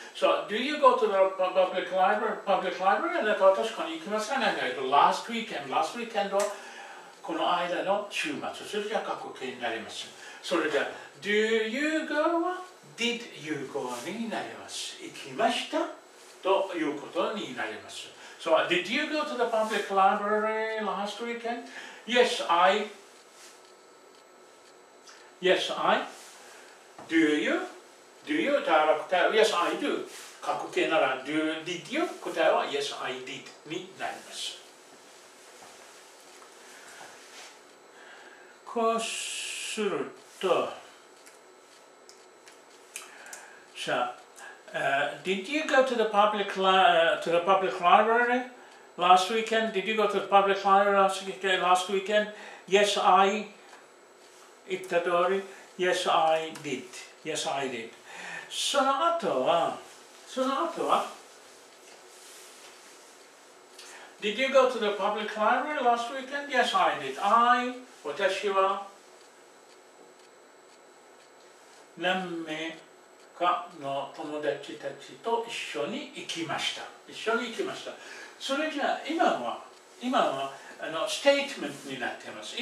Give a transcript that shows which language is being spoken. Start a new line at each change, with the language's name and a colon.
English: So, do you go to the public library? Public library?
Japanese: あなたは図書館に行きますか?
English: Last weekend. Last weekend
Japanese: はこの間の週末。それじゃ過去形になります。それじゃ、
English: Do you go? Did you go? になります。
Japanese: 行きましたということになります。
English: So, did you go to the public library last weekend? Yes, I. Do you? Yes, I do.
Japanese: 過去形なら
English: do, did you?
Japanese: 答えは
English: yes, I did になります。
Japanese: こうすると、さあ、
English: did you go to the public, to the public library? Last weekend, did you go to the public library last weekend? Yes, I.
Japanese: 言った通り、
English: Yes, I did. Yes, I did.
Japanese: その後は?
English: Did you go to the public library last weekend? Yes, I did.
Japanese: I, 私は、何名かの友達たちと一緒に行きました。一緒に行きました。それじゃあ今はステートメントになっています。